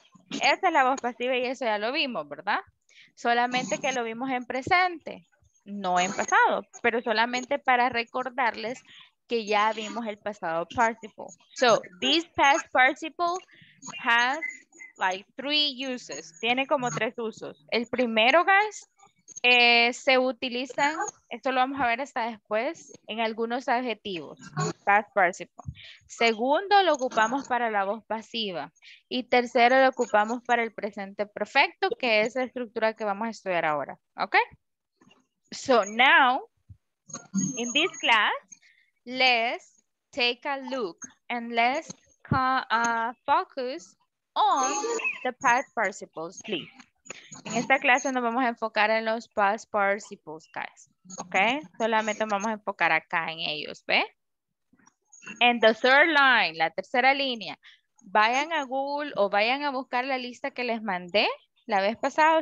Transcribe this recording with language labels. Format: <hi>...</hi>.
<es>Esa es la voz pasiva y eso ya lo vimos, ¿verdad? Solamente que lo vimos en presente, no en pasado, pero solamente para recordarles que ya vimos el pasado participle.</es> <en>So, this past participle has like three uses.</en> <es>Tiene como tres usos. El primero, guys, se utilizan, esto lo vamos a ver hasta después, en algunos adjetivos, past participle. Segundo, lo ocupamos para la voz pasiva. Y tercero, lo ocupamos para el presente perfecto, que es la estructura que vamos a estudiar ahora. ¿Ok?</es> <en>So now, in this class, let's take a look and let's focus on the past participles, please.</en> <es>En esta clase nos vamos a enfocar en los past participles, guys. ¿Ok? Solamente vamos a enfocar acá en ellos, ¿ve?</es> <en>And the third line,</en> <es>la tercera línea. Vayan a Google o vayan a buscar la lista que les mandé la vez pasada.</es>